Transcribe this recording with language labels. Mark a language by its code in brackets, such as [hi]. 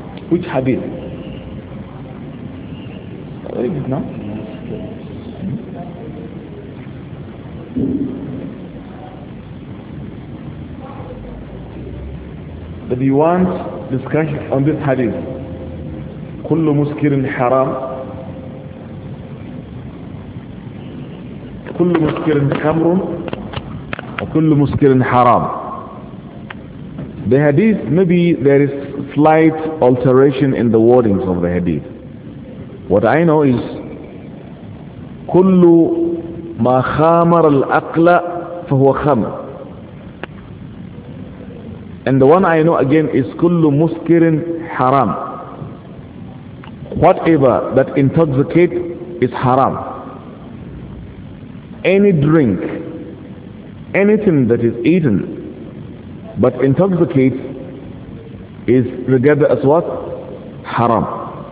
[en] Which hadith? No? But you want discussion on this hadith? [ar] كل مسكر حرام كل مسكر خمر وكل مسكر حرام. [en] The hadith, maybe there is slight alteration in the wordings of the hadith. What I know is [ar] كل ما خامر الأقل فهو خمر. [en] And the one I know again is [ar] كل مسكر حرام. [en] Whatever that intoxicates is haram. Any drink, anything that is eaten but intoxicates is regarded as what? Haram.